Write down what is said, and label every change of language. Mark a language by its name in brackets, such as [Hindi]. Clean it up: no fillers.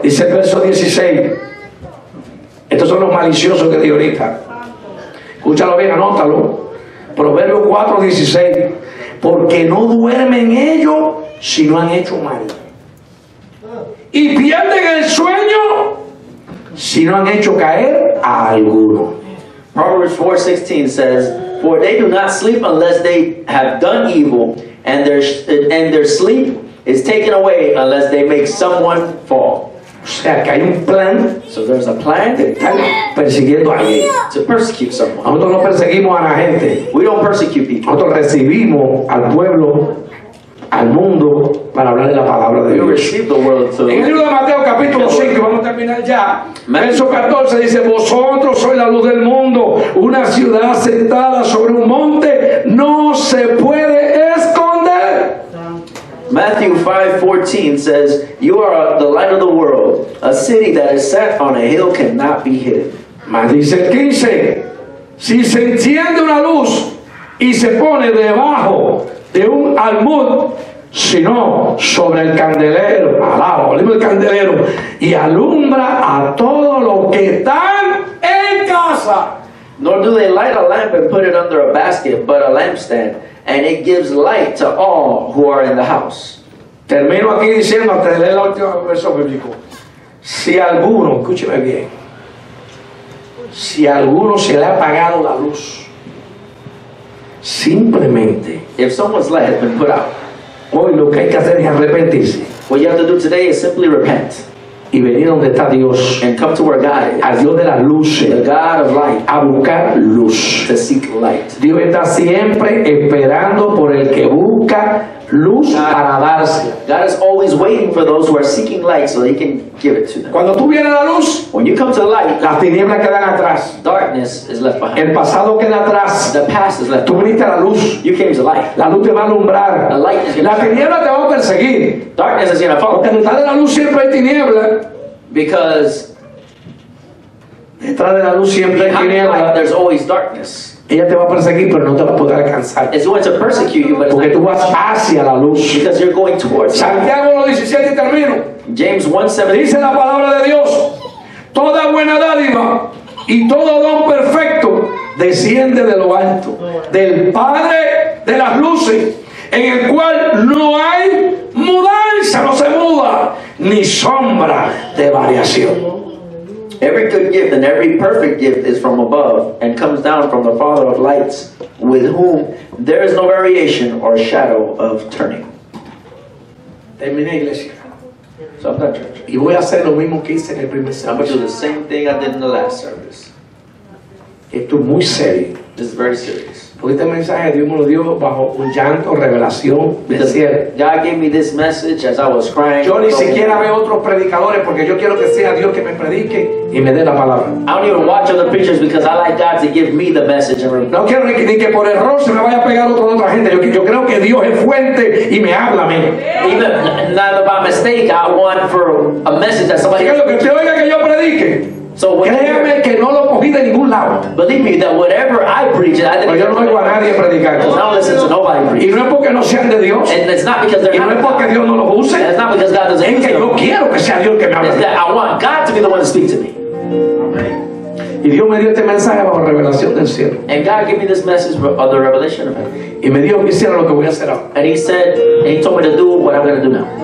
[Spanish] Dice el verso 16. Estos son los maliciosos que te ahorita. Escúchalo bien, anótalo. Proverbio 4, 16. Porque no duermen ellos si no han hecho mal. Y pierden el sueño si no han hecho caer a alguno. [English] Proverbs 4:16 says, "For they do not sleep unless they have done evil, and their sleep is taken away unless they make someone fall." [Spanish] O sea, que hay un plan. [English] So there's a plan [Spanish] de estar persiguiendo a alguien. [English] To persecute someone. [Spanish] Nosotros no perseguimos a la gente. [English] We don't persecute people. [Spanish] Nosotros recibimos al pueblo, al mundo, para hablar de la palabra de Dios. [English] We receive the world to. [Spanish] En el libro de Mateo capítulo 5, vamos a terminar ya. Matthew. Verso 14 dice, vosotros sois la luz del mundo, una ciudad sentada sobre un monte no se puede esconder. [English] Matthew 5:14 says, you are the light of the world, a city that is set on a hill cannot be hidden. [Spanish] Más dice 15, si se enciende una luz y se pone debajo de un almud, sino sobre el candelero, alaba, libre el candelero, y alumbra a todos los que están en casa. [English] Nor do they light a lamp and put it under a basket, but a lampstand, and it gives light to all who are in the house. [Spanish] Termino aquí diciendo, hasta leer el último verso bíblico. Si alguno, escúcheme bien, si alguno se le ha apagado la luz, simplemente, [English] if someone's light has been put out, [Spanish] hoy lo que hay que hacer es arrepentirse. [English] What you have to do today is simply repent. [Spanish] Y venir donde está Dios. [English] And come to where God is. [Spanish] A Dios de la luz. [English] The God of light. [Spanish] A buscar luz. [English] To seek light. [Spanish] Dios está siempre esperando por el que busca luz God, para darse. [English] God is always waiting for those who are seeking light so that he can give it to them. [Spanish] Cuando tú vienes a la luz, [English] when you come to light, [Spanish] las tinieblas quedan atrás. [English] Darkness is left behind. [Spanish] El pasado queda atrás. [English] The past is left. [Spanish] Tú viniste a la luz. [English] You came to light. [Spanish] La luz te va a alumbrar. [English] The light is [Spanish] la tiniebla te va a perseguir. [English] Darkness is going to follow. [Spanish] Porque detrás de la luz siempre hay tiniebla. [English] Because [Spanish] detrás de la luz siempre hay tiniebla. [English] There's always darkness. [Spanish] Ella te va a perseguir, pero no te va a poder alcanzar. [English] It's going to persecute you, but [Spanish] porque tú vas hacia la luz. [English] Because you're going towards. [Spanish] Santiago 1:17 termino. [English] James 1:17 [Spanish] dice la palabra de Dios: toda buena dádiva y todo don perfecto desciende de lo alto, del Padre de las luces, en el cual no hay mudanza, no se muda ni sombra de variación. [English] Every good gift and every perfect gift is from above and comes down from the Father of lights, with whom there is no variation or shadow of turning. [Spanish] Terminé, iglesia. [English] So I'm not church. [Spanish] Y voy a hacer lo mismo que hice en el primer servicio. [English] I'm going to do the same thing I did in the last service. [Spanish] Esto es muy serio. [English] This is very serious. [Spanish] Porque este mensaje Dios me lo dio bajo un llanto, revelación. Decía, [English] God gave me this message as I was crying. [Spanish] Yo ni siquiera veo otros predicadores porque yo quiero que sea Dios que me predique y me dé la palabra. [English] I don't even watch other preachers because I like God to give me the message. [Spanish] No quiero ni que por error se me vaya a pegar otra gente. Yo creo que Dios es fuente y me habla a mí. [English] Even not by mistake, I want for a message that somebody. [Spanish] Quiero que te oiga que yo predique. [English] So [Spanish] créeme que no lo cogí de ningún lado. [English] Believe me that whatever I preach, I didn't. [Spanish] Pero yo no oigo a nadie predicar. [English] I don't listen to nobody preach. [Spanish] Y no es porque no sean de Dios. [English] And it's not because they're [Spanish] y [English] not. [Spanish] Y no es porque Dios no lo use. [English] And it's not because God doesn't. [Spanish] Es que yo quiero que sea Dios que me hable. [English] It's that I want God to be the one to speak to me. Amen. [Spanish] Y Dios me dio este mensaje bajo revelación del cielo. [English] And God gave me this message of the revelation of heaven. [Spanish] Y me dijo que hiciera lo que voy a hacer ahora. [English] And he said, and he told me to do what I'm going to do now.